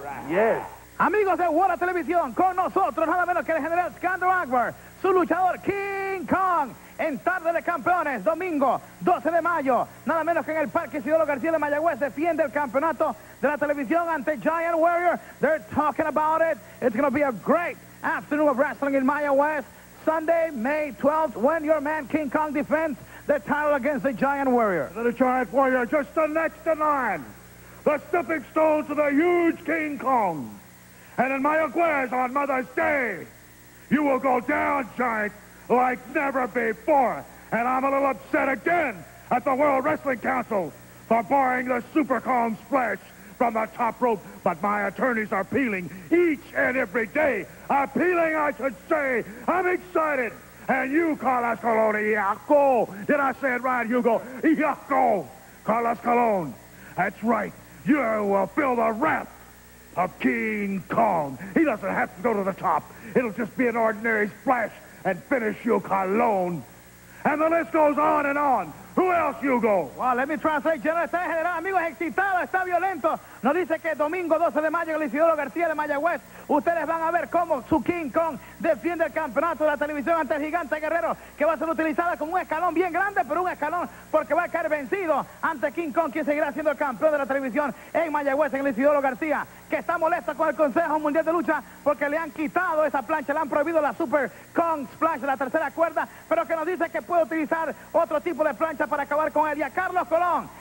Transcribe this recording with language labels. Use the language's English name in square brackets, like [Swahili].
[English] Yes. [Spanish] Amigos de Wola Televisión, con nosotros nada menos que el general Skander Akbar, su luchador King Kong, en Tarde de Campeones, domingo 12 de mayo, nada menos que en el Parque Isidoro García de Mayagüez, defiende el campeonato de la televisión ante Giant Warrior. [English] They're talking about it. It's going to be a great afternoon of wrestling in Mayagüez, Sunday, May 12th, when your man King Kong defends the title against the Giant Warrior. The Giant Warrior, just the next in line, the stepping stone to the huge King Kong. And in Mayagüez on Mother's Day, you will go down, Giant, like never before. And I'm a little upset again at the World Wrestling Council for barring the Super Kong's flesh from the top rope. But my attorneys are appealing each and every day. Appealing, I should say. I'm excited. And you, Carlos Colon, Iaco. Did I say it right, Hugo? Iaco. Carlos Colon. That's right. You will feel the wrath of King Kong. He doesn't have to go to the top. It'll just be an ordinary splash and finish you, Cologne. And the list goes on and on. Who else, Hugo? Well, let me translate, General. [Spanish] Está general, amigos, excitado, está violento. Nos dice que domingo 12 de mayo, el Isidoro García de Mayagüez, ustedes van a ver cómo su King Kong defiende el campeonato de la televisión ante el gigante guerrero, que va a ser utilizada como un escalón bien grande, pero un escalón, porque va a caer vencido ante King Kong, quien seguirá siendo el campeón de la televisión en Mayagüez, en el Isidoro García, que está molesto con el Consejo Mundial de Lucha porque le han quitado esa plancha, le han prohibido la Super Kong Splash, la tercera cuerda, pero que nos dice que puede utilizar otro tipo de plancha para acabar con él. Y a Carlos Colón,